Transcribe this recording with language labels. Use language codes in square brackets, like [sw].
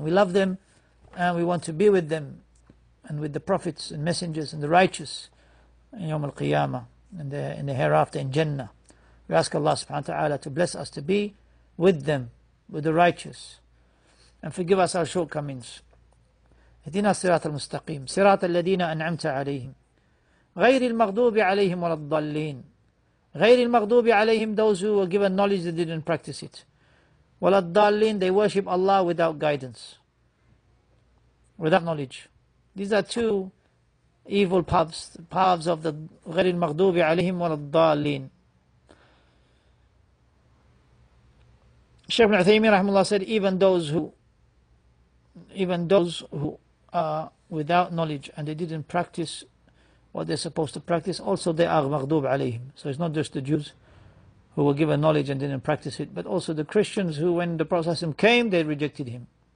[en] And we love them and we want to be with them and with the prophets and messengers and the righteous in Yawm al-Qiyamah and in the hereafter in Jannah. We ask Allah subhanahu wa ta'ala to bless us to be with them, with the righteous, and forgive us our shortcomings. [ar] اهدنا الصراط المستقيم صراط الذين أنعمت عليهم غير المغضوب عليهم ولا الضالين غير المغضوب عليهم. [en] Those who were given knowledge they didn't practice it. [ar] ولا الضالين, [en] they worship Allah without guidance, without knowledge. These are two evil paths, paths of the [ar] غير المغضوب عليهم ولا الضالين. [en] Shaykh ibn Uthaymeen rahimahullah said even those who are without knowledge and they didn't practice what they're supposed to practice, also they are maghdub alayhim. So it's not just the Jews who were given knowledge and didn't practice it, but also the Christians who, when the Prophet ﷺ came, they rejected him.